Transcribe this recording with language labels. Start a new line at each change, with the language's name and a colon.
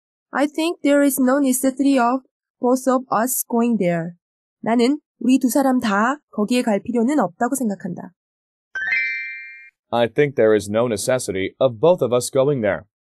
English: I think there is no necessity of both of us going there.
Korean: 나는 우리 두 사람 다 거기에 갈 필요는 없다고 생각한다.
English: I think there is no necessity of both of us going there.